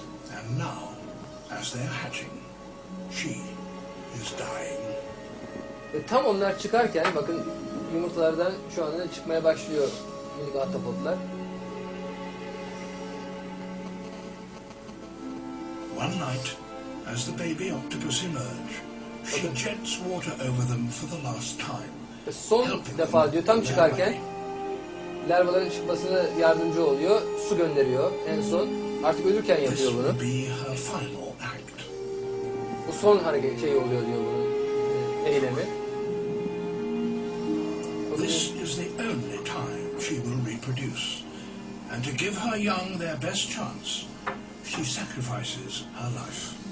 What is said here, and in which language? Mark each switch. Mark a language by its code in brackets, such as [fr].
[en] And now, as they are hatching, she is dying. [tr] Ve tam onlar çıkarken bakın yumurtalardan şu anda çıkmaya başlıyor minik ahtapotlar. [en] One night, as the baby octopus emerge, she jets water over them for the last time. [tr] Son defa diyor tam çıkarken larvaların çıkmasına yardımcı oluyor, su gönderiyor en son. Artık ölürken yapıyor bunu. [en] This will be her final act. [tr] Bu son hareket şey oluyor diyor bunun eylemi. [en] This is the only time she will reproduce, and to give her young their best chance, she sacrifices her life.